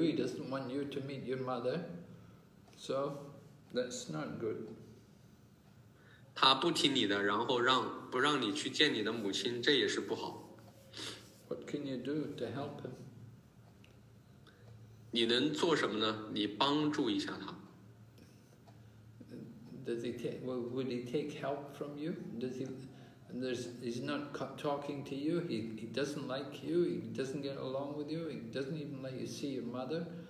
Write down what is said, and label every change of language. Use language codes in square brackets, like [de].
[en] He doesn't want you to meet your mother, so that's not good. [zh] 他不听你的，然后不让你去见你的母亲，这也是不好。 [en] What can you do to help him? [zh] 你能做什么呢？你帮助一下他。 [en] Does he take, well, would he take help from you? Does he, and there's, he's not talking to you, he doesn't like you, he doesn't get along with you, he doesn't even let you see your mother.